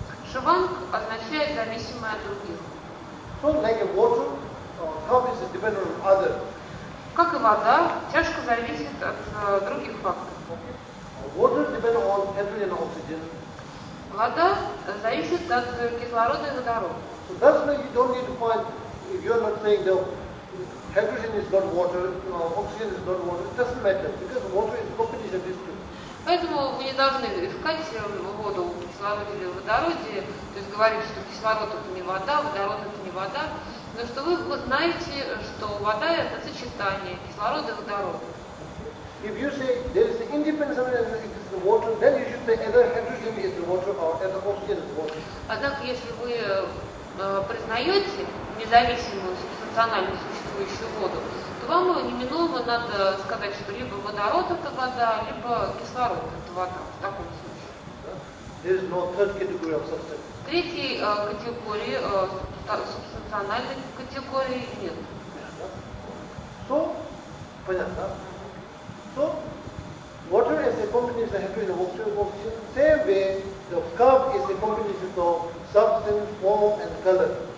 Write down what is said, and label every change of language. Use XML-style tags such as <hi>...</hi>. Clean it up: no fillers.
<ru>Шиванг означает зависимое от других.</ru> <en>So like a water, cup is dependent on other.</en> <ru>Как и вода, чашка зависит от других факторов.</ru> <en>Water depends on heavy and oxygen.</en> <ru>Вода зависит от кислорода и водорода.</ru> <en>So that's why you don't need to find, if you're not saying that hydrogen is not water, oxygen is not water, it doesn't matter, because water is a combination of these two.</en> <ru>Поэтому мы не должны искать воду в кислороде или водороде, то есть говорить, что кислород это не вода, водород это не вода, но что вы знаете, что вода это сочетание кислорода и водорода.</ru> <en>If you say there is the independence of energy, it is the water, then you should say either hydrogen is the water or either oxygen is the water.</en> <ru>Однако, если вы признаете независимую субстанциональную существующую воду, то вам неминуемо надо сказать, что либо водород это вода, либо кислород это вода, в таком случае.</ru> <en>There is no third category of substance.</en> <ru>Третьей категории, субстанциональной категории нет.</ru> <en>So,</en> <ru>понятно.</ru> <en>So, water is a combination of hydrogen and oxygen. Same way, the cup is a combination of substance, form, and color.</en>